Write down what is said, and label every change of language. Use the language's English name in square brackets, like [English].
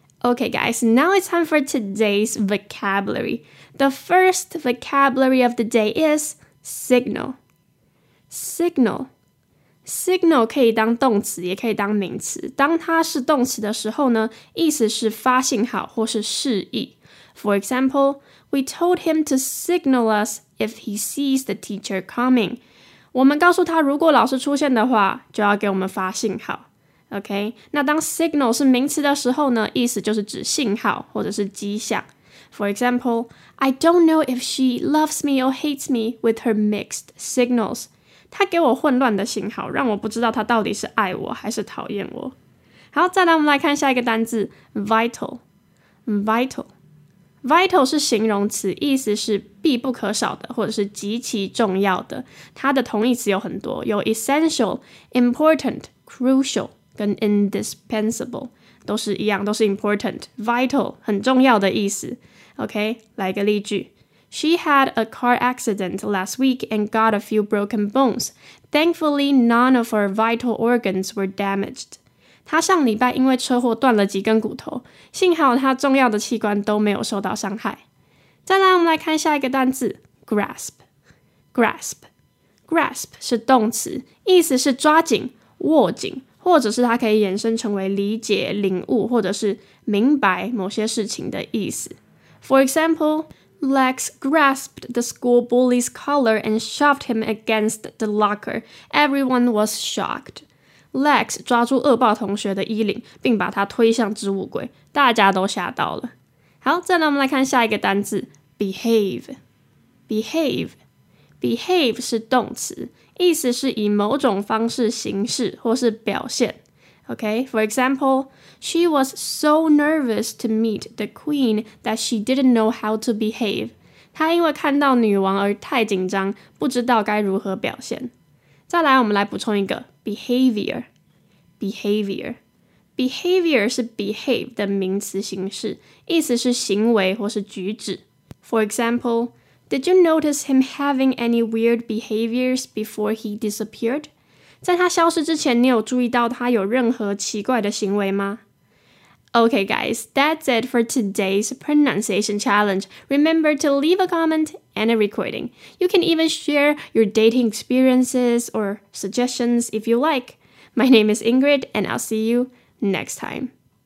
[English] Okay, guys, now it's time for today's vocabulary. The first vocabulary of the day is signal. [Chinese] Signal 可以当动词，也可以当名词。当它是动词的时候呢，意思是发信号或是示意。 [English] For example, we told him to signal us if he sees the teacher coming. [Chinese] 我们告诉他如果老师出现的话就要给我们发信号。 OK, 那当 signal 是名词的时候呢意思就是指信号或者是迹象。 [English] For example, I don't know if she loves me or hates me with her mixed signals. [Chinese] 她给我混乱的信号让我不知道她到底是爱我还是讨厌我。好再来我们来看下一个单字 vital。 Vital 是形容词，意思是必不可少的，或者是极其重要的。它的同义词有很多，有 essential、important、crucial 跟 indispensable， 都是一样，都是 important。 [English] Vital [Chinese] 很重要的意思。 [English] OK， [Chinese] 来个例句 [English] ：She had a car accident last week and got a few broken bones. Thankfully, none of her vital organs were damaged. [Chinese] 他上礼拜因为车祸断了几根骨头，幸好他重要的器官都没有受到伤害。再来，我们来看下一个单字 ，grasp。 grasp 是动词，意思是抓紧、握紧，或者是它可以衍生成为理解、领悟，或者是明白某些事情的意思。 [English] For example, Lex grasped the school bully's collar and shoved him against the locker. Everyone was shocked. [Chinese] Lex 抓住恶霸同学的衣领，并把他推向置物柜，大家都吓到了。好，再来我们来看下一个单字 ，behave。 behave 是动词，意思是以某种方式、形式或是表现。OK， [English] For example， She was so nervous to meet the queen that she didn't know how to behave. [Chinese] 她因为看到女王而太紧张，不知道该如何表现。再来，我们来补充一个 behavior。behavior。 behavior 是 behave 的名词形式，意思是行为或是举止。 [English] For example, did you notice him having any weird behaviors before he disappeared? [Chinese] 在他消失之前，你有注意到他有任何奇怪的行为吗？ [English] Okay guys, that's it for today's pronunciation challenge. Remember to leave a comment and a recording. You can even share your dating experiences or suggestions if you like. My name is Ingrid, and I'll see you next time.